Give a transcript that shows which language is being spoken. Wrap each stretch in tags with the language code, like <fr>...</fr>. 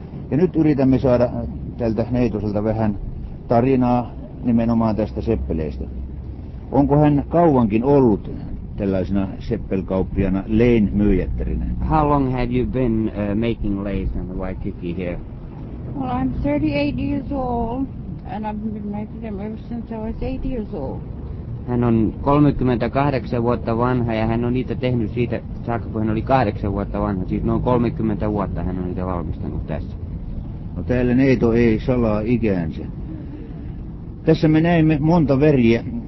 <fi>Ja nyt yritämme saada tältä neitoselta vähän tarinaa nimenomaan tästä seppeleestä. Onko hän kauankin ollut tällaisena seppelkauppiana lein myyjättärinä?</fi> <en>How long have you been making leis in the Waikiki here? Well, I'm 38 years old and I've been making them ever since I was 8 years old.</en> <fi>Hän on 38 vuotta vanha ja hän on niitä tehnyt siitä saakka, kun hän oli 8 vuotta vanha. Siis noin 30 vuotta hän on niitä valmistanut tässä. No täällä neito ei salaa ikäänsä. Tässä me näimme monta väriä.</fi>